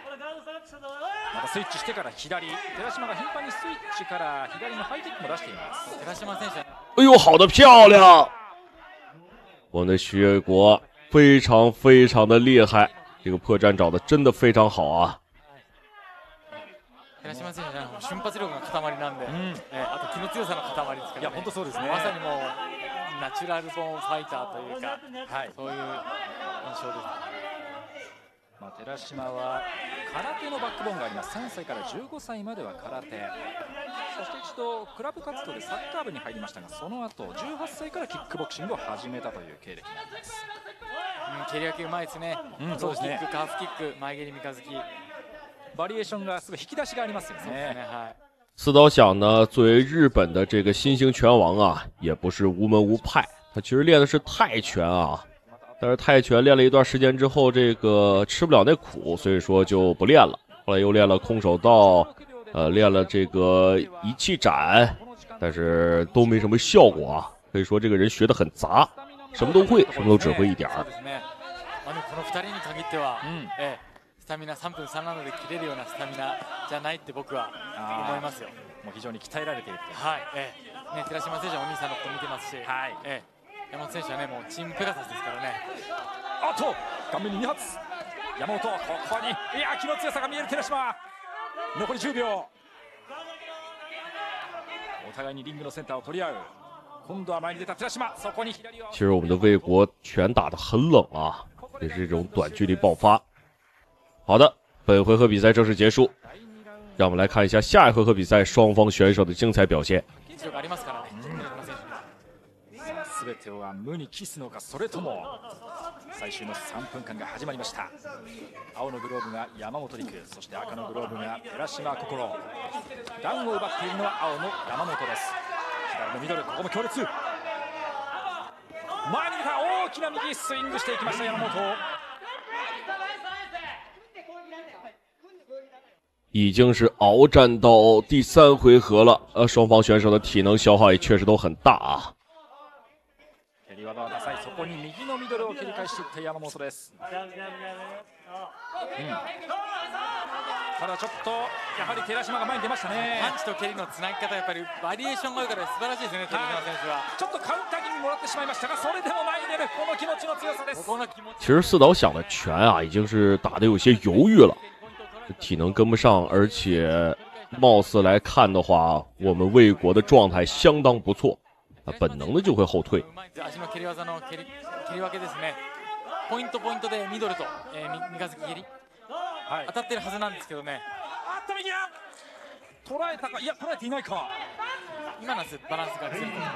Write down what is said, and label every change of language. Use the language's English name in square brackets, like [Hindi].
[Japanese] またスイッチしてから左、寺島が頻繁にスイッチから左のハイキックも出しています。寺島選手。 [Chinese] 哎呦，好的，漂亮！我们的雪国非常非常的厉害，这个破绽找的真的非常好啊。 [Japanese] 寺島選手は瞬発力の塊なんで、あと気の強さの塊ですから。いや本当そうですね。まさにもうナチュラルボーンファイターというか、はい、そういう印象です。まあ寺島は空手のバックボーンがあります。3歳から15歳までは空手。そして一度クラブ活動でサッカー部に入りましたが、その後18歳からキックボクシングを始めたという経歴になります。蹴り分けうまいですね。うん、そうですね。キック、カーフキック、前蹴り、三日月。バリエーションがすごい引き出しがありますよね。そうですね。はい。 [Chinese] 四岛响呢，作为日本的这个新兴拳王啊，也不是无门无派，他其实练的是泰拳啊。但是泰拳练了一段时间之后，这个吃不了那苦，所以说就不练了。后来又练了空手道，练了这个一气斩，但是都没什么效果啊。可以说这个人学得很杂，什么都会，什么都只会一点儿。 [Japanese] あのこの二人に限っては、スタミナ三分三ラウンドで切れるようなスタミナじゃないって僕は思いますよ。もう非常に鍛えられている。はい。ね、寺島選手はお兄さんのこと見てますし。はい。山本選手はね、もうチームペガサスですからね。あと、顔面に2発。山本、ここに、いや、気の強さが見える寺島。残り10秒。お互いにリングのセンターを取り合う。今度は前に出た寺島、そこに左。 [Chinese] 其实我们的卫国拳打得很冷啊，也是一种短距离爆发。好的，本回合比赛正式结束。让我们来看一下下一回合比赛双方选手的精彩表现。 [Japanese] 技術がありますからね。全てを無に帰すのか、それとも最終の3分間が始まりました。青のグローブが山本陸、そして赤のグローブが寺島心。ダウンを奪っているのは青の山本です。左のミドル、ここも強烈、前に出た、大きな右、スイングしていきました山本。 [Chinese] 已经是鏖战到第三回合了，双方选手的体能消耗也确实都很大啊。 [Japanese] そこに右のミドルを切り返していった山本です、ただちょっとやはり寺島が前に出ましたね。パンチと蹴りのつなぎ方、やっぱりバリエーションがあるから素晴らしいですね。寺島選手はちょっとカウンター気味にもらってしまいましたが、それでも前に出る、この気持ちの強さです。 [Chinese] 其实四岛想的拳啊已经是打得有些犹豫了，体能跟不上，而且貌似来看的话，我们魏国的状态相当不错，本能的就会后退。 [Japanese] 足の蹴り技の蹴り分けですね。ポイントポイントでミドルと、三日月蹴り、はい、当たってるはずなんですけどね。あっと右が捉えたか、いや捉えていないか、今のはバランスが強い、はい、